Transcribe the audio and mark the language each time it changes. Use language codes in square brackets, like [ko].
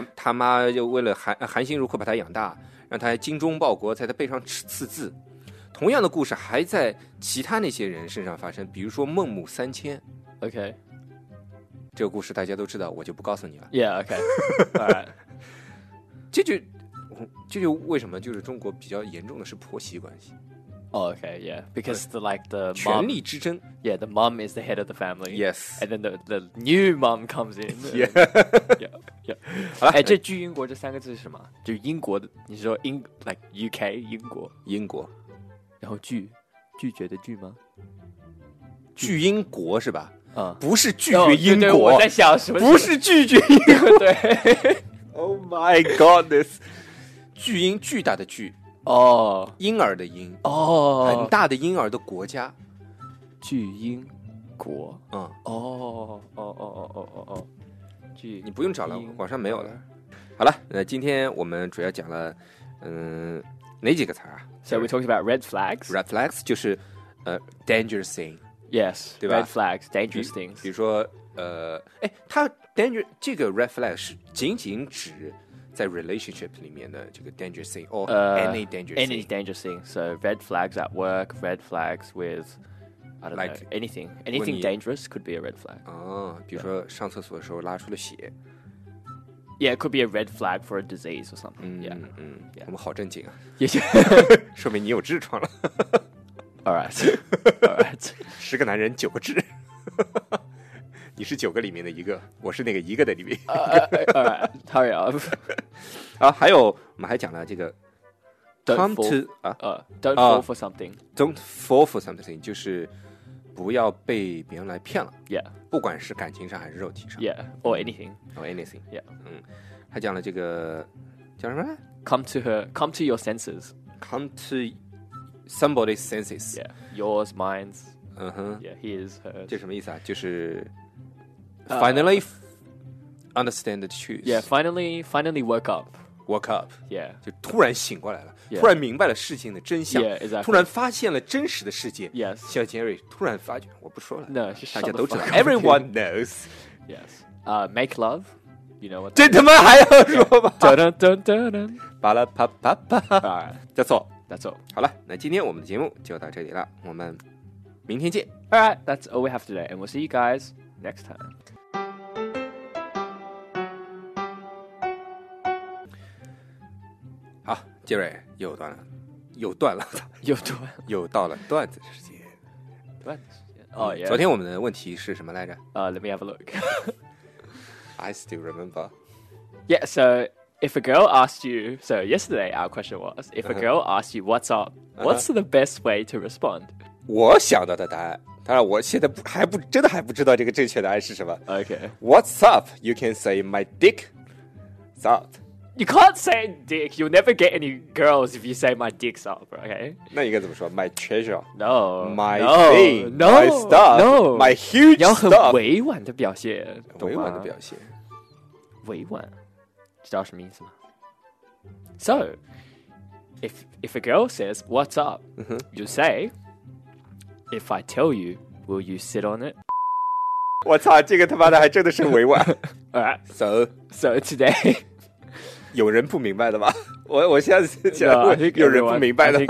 [zh] 他妈就为了含辛茹苦把他养大让他精忠报国在他背上刺字同样的故事还在其他那些人身上发生比如说孟母三迁 [en] OK [zh] 这个故事大家都知道我就不告诉你了 [en] Yeah OK alright [zh] 这就为什么就是中国比较严重的是婆媳关系。 [en] Oh, okay, yeah, because the like the mom, [zh] 权力之争 [en] Yeah, the mom is the head of the family. Yes, and then the new mom comes in. Yeah, yeah, yeah. [zh] 哎，这巨英国这三个字是什么？就英国的，你说英 like UK 英国英国，然后拒绝的拒吗？巨英国是吧？啊、不是拒绝英国。对，我在想什么？不是拒绝英国。对。 [en] Oh my goodness! [zh] 巨婴，巨大的巨哦， oh. 婴儿的婴哦， oh. 很大的婴儿的国家，巨婴国，嗯，哦哦哦哦哦哦哦，巨，你不用找了，网上没有了。好了，那今天我们主要讲了，哪几个词啊 [en] ？So we talking about red flags. Red flags [zh] 就是 [en] dangerous thing. Yes, [zh] 对吧 [en] ？Red flags, dangerous things. [zh] 比如说。他 danger 这个 red flag 是仅仅指在 relationship 里面的这个 dangerous thing [en] or any dangerous thing. Any dangerous thing. So red flags at work, red flags with I don't like, know anything. Anything dangerous could be a red flag. [zh] 哦，比如说上厕所的时候拉出了血。 [en] Yeah, it could be a red flag for a disease or something. [zh] 嗯 [en] yeah, [zh] 嗯 [en] yeah. [zh] 我们好正经啊，也是，说明你有痔疮了。 [en] All right. [zh] 十个男人九个痔。你是九个里面的一个，我是那个一个的里面。 [en] Hurry up！ [zh] 啊，还有我们还讲了这个 [en] ，Don't fall for something. Don't fall for something [zh] 就是不要被别人来骗了。 [en] Yeah， [zh] 不管是感情上还是肉体上。 [en] Yeah， or anything. Or anything. Yeah， [zh] 嗯，还讲了这个叫什么 [en] ？Come to her. Come to your senses. Come to somebody's senses. Yeah， yours, mine's. [zh] 嗯哼。 [en] Yeah， his, hers. [zh] 这什么意思啊？就是。 [en] Finally, understand the truth. Yeah, finally woke up. Woke up. Yeah. [zh] 就突然醒过来了、 [en] yeah. [zh] 突然明白了事情的真相 [en] Yeah, exactly. [zh] 突然发现了真实的世界 [en] Yes. [zh] 小杰瑞突然发觉我不说了 [en] No, [zh] 大家都知道 [en] Everyone knows. Yes. Make love. You know what that is. [zh] 这他妈还要说吧 Dun dun dun dun dun. 巴拉啪啪啪 [en] That's all. That's all. [zh] 好了那今天我们的节目就到这里了我们明天见 [en] Alright, that's all we have today. And we'll see you guys next time. [zh] 杰瑞又断了，又断了，又断，又到了段子时间。段子时间，哦、 [en] oh, yeah. [zh] 昨天我们的问题是什么来着？ [en] Let me have a look. I still remember. Yeah, so if a girl asked you, so yesterday our question was, if a girl asked you, "What's up?" What's the best way to respond? [zh] 我想到的答案，当然我现在还不真的还不知道这个正确答案是什么。 [en] Okay, What's up? You can say my dick's up. You can't say dick. You'll never get any girls if you say my dick's up, okay? [zh] 那应该怎么说 [en] My treasure. No. My no, thing. No. My stuff. No. My huge stuff. [zh] 要很委婉的表现，委婉的表现。委婉，知道什么意思吗？ [en] So, if a girl says, what's up? You say, if I tell you, will you sit on it? [zh] 我操，这个他妈的还真的是委婉。 [en] Alright. So, today... [zh] 有人不明白的吗？我现在起来问，有人不明白的吗